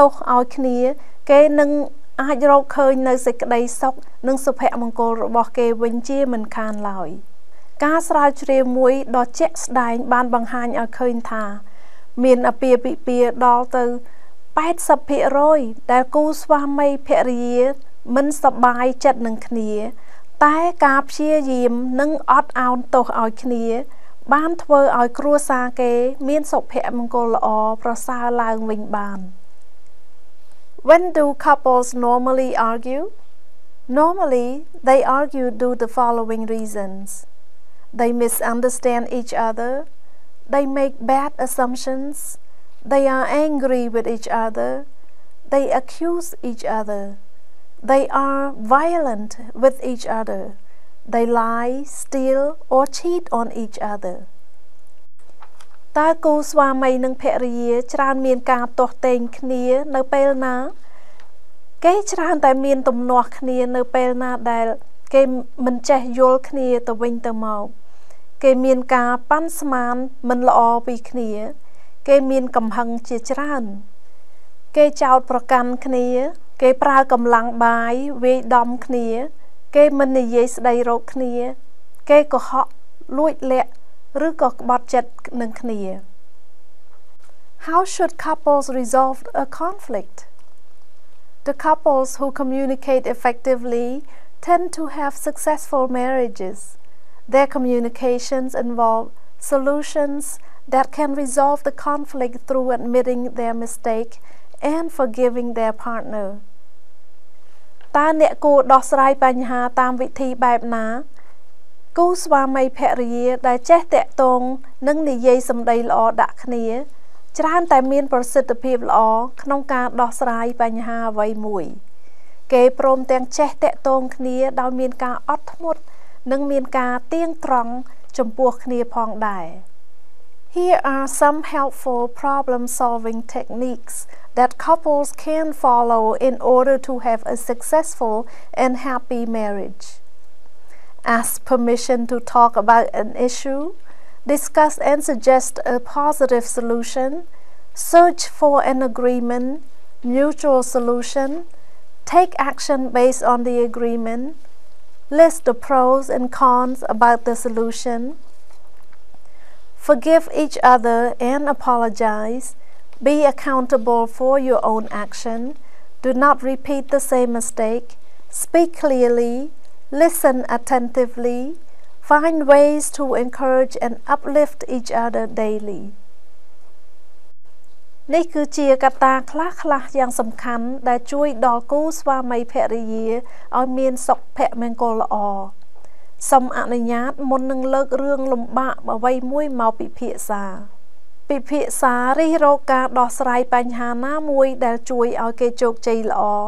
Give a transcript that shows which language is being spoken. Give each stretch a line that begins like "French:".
Khmer: សឲ្យគ្នាគេនឹងអាចរកឃើញនៅសេចក្តីសុខនិងសុភមង្គលរបស់គេវិញជាមិនខានឡើយការស្រាវជ្រាវមួយដ៏ជាក់ស្ដែងបានបង្ហាញឲ្យឃើញថាមានអាពាហ៍ពិពាហ៍ដល់ទៅ 80% ដែលគូស្វាមីភរិយាមិនសប្បាយចិត្តនឹងគ្នាតែការព្យាយាមនិងអត់ឱនទោសឲ្យគ្នាបានធ្វើឲ្យគ្រួសារគេមានសុភមង្គលល្អប្រសើរឡើងវិញបាន
English: When do couples normally argue? Normally, they argue due to the following reasons. They misunderstand each other. They make bad assumptions. They are angry with each other. They accuse each other. They are violent with each other. They lie, steal, or cheat on each other.
Khmer: តើគូស្វាមីនិងភរិយាច្រើនមានការទាស់ទែងគ្នានៅពេលណាគេច្រើនតែមានទំនាស់គ្នានៅពេលណាដែលគេមិនចេះយល់គ្នាទៅវិញទៅមកគេមានការប៉ាន់ស្មានមិនល្អពីគ្នាគេមានកំហឹងជាច្រើន គេចោទប្រកាន់គ្នាគេប្រើកម្លាំងបាយវាយដំគ្នាគេមិននិយាយស្ដីរកគ្នាគេកុហកលួចលាក់ឬក៏ក្បត់ចិត្តនឹងគ្នា
English: How should couples resolve a conflict? The couples who communicate effectively tend to have successful marriages. Their communications involve solutions that can resolve the conflict through admitting their mistake and forgiving their partner.
Khmer: តើអ្នកគួរដោះស្រាយបញ្ហាតាមវិធីបែបណាគូស្វាមីភរិយាដែលចេះតាក់ទងនិងនិយាយសម្ដីល្អដាក់គ្នាច្រើនតែមានប្រសិទ្ធភាពល្អក្នុងការដោះស្រាយបញ្ហាអ្វីមួយគេព្រមទាំងចេះតាក់ទងគ្នាដោយមានការអត់ធ្មត់និងមានការទៀងត្រង់ចំពោះគ្នាផងដែរ
English: Here are some helpful problem solving techniques. That couples can follow in order to have a successful and happy marriage. Ask permission to talk about an issue, discuss and suggest a positive solution, search for an agreement, mutual solution, take action based on the agreement, list the pros and cons about the solution, forgive each other and apologize. Be accountable for your own action. Do not repeat the same mistake. Speak clearly. Listen attentively. Find ways to encourage and uplift each other daily.
Khmer: នេះគឺជាកត្តាខ្លះៗយ៉ាងសំខាន់ដែលជួយដល់គូស្វាមីភរិយាឲ្យមានសុភមង្គលល្អ សូមអនុញ្ញាតមុននឹងលើករឿងលំបាកអ្វីមួយមកពិភាក្សាពិភាក្សារិះរកការដោះស្រាយបញ្ហាណាមួយដែលជួយឲ្យគេជោគជ័យល្អ